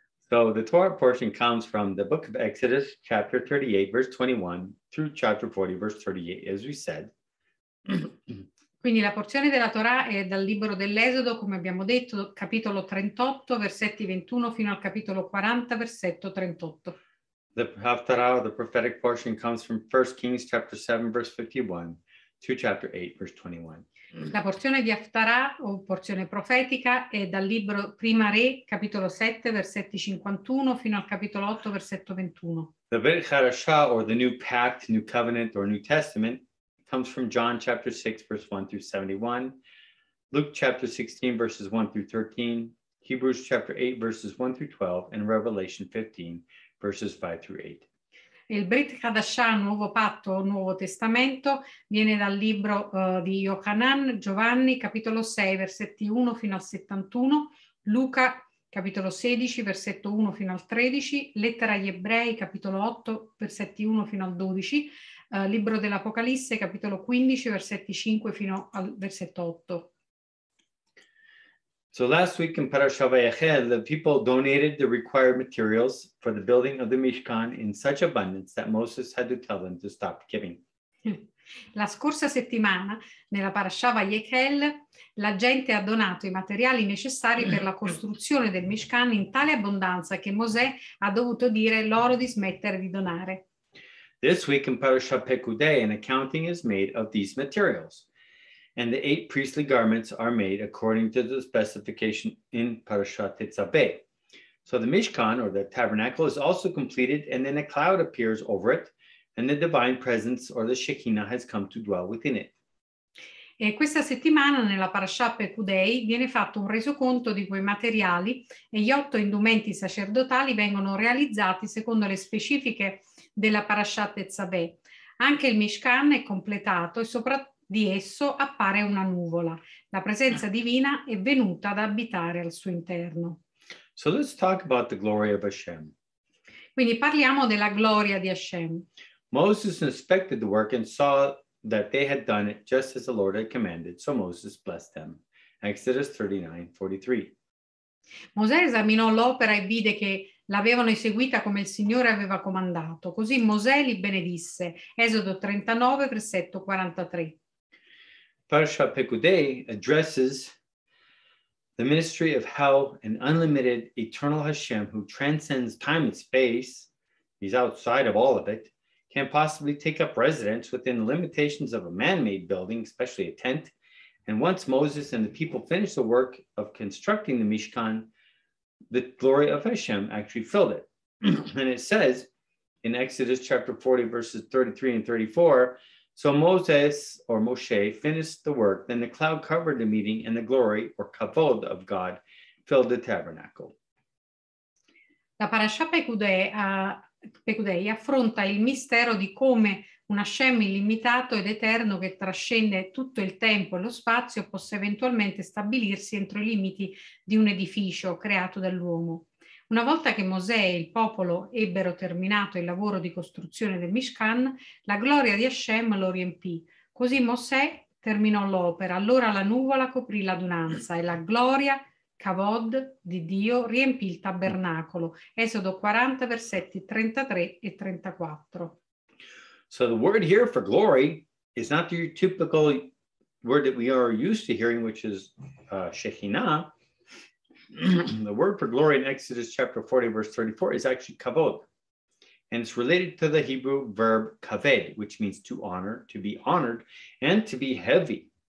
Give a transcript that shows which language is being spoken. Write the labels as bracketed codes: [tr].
[en] So the Torah portion comes from the book of Exodus, chapter 38, verse 21, through chapter 40, verse 38, as we said. [it] Quindi la porzione della Torah è dal libro dell'Esodo, come abbiamo detto, capitolo 38, versetti 21, fino al capitolo 40, versetto 38. [en] The Haftarah, the prophetic portion, comes from 1 Kings, chapter 7, verse 51, to chapter 8, verse 21. [it] La porzione di Haftarah, o porzione profetica, è dal libro Prima Re, capitolo 7, versetti 51, fino al capitolo 8, versetto 21. [en] The Brit Chadashah, or the New Pact, New Covenant, or New Testament, comes from John, chapter 6, verse 1 through 71, Luke, chapter 16, verses 1 through 13, Hebrews, chapter 8, verses 1 through 12, and Revelation 15, verses 5 through 8. [it] Il Brit Chadashah, Nuovo Patto, Nuovo Testamento, viene dal libro di Yohanan, Giovanni, capitolo 6, versetti 1 fino al 71, Luca, capitolo 16, versetto 1 fino al 13, Lettera agli Ebrei, capitolo 8, versetti 1 fino al 12, Libro dell'Apocalisse, capitolo 15, versetti 5 fino al versetto 8. [en] So last week in Parashat Vayechel, the people donated the required materials for the building of the Mishkan in such abundance that Moses had to tell them to stop giving. [it] La scorsa settimana, nella Parashat Vayechel, la gente ha donato i materiali necessari per la costruzione del Mishkan in tale abbondanza che Mosè ha dovuto dire loro di smettere di donare. [en] This week in Parashat Pekudei, an accounting is made of these materials. And the eight priestly garments are made according to the specification in Parashat Tetzaveh. So the Mishkan, or the tabernacle, is also completed, and then a cloud appears over it, and the divine presence, or the Shekinah, has come to dwell within it. [it] E questa settimana, nella Parashat Pekudei, viene fatto un resoconto di quei materiali, e gli otto indumenti sacerdotali vengono realizzati secondo le specifiche della Parashat Tetzaveh. Anche il Mishkan è completato, e soprattutto di esso appare una nuvola. La presenza divina è venuta ad abitare al suo interno. [en] So let's talk about the glory of Hashem. [it] Quindi parliamo della gloria di Hashem. [en] Moses inspected the work and saw that they had done it just as the Lord had commanded. So Moses blessed them. Exodus 39:43. [it] Mosè esaminò l'opera e vide che l'avevano eseguita come il Signore aveva comandato. Così Mosè li benedisse. Esodo 39, versetto 43. [en] Parsha Pekudei addresses the ministry of how an unlimited eternal Hashem who transcends time and space, he's outside of all of it, can possibly take up residence within the limitations of a man-made building, especially a tent. And once Moses and the people finished the work of constructing the Mishkan, the glory of Hashem actually filled it. And it says in Exodus chapter 40, verses 33 and 34, so Moses or Moshe finished the work, then the cloud covered the meeting and the glory or kavod of God filled the tabernacle. [it] La parasha Pekudei affronta il mistero di come un Hashem illimitato ed eterno che trascende tutto il tempo e lo spazio possa eventualmente stabilirsi entro i limiti di un edificio creato dall'uomo. Una volta che Mosè e il popolo ebbero terminato il lavoro di costruzione del Mishkan, la gloria di Hashem lo riempì. Così Mosè terminò l'opera, allora la nuvola coprì l'adunanza e la gloria, kavod, di Dio riempì il tabernacolo. Esodo 40, versetti 33 e 34. [en] So the word here for glory is not your typical word that we are used to hearing, which is Shekhinah. The word for glory in Exodus chapter 40, verse 34 is actually kavod. And it's related to the Hebrew verb kaved, which means to honor, to be honored, and to be heavy.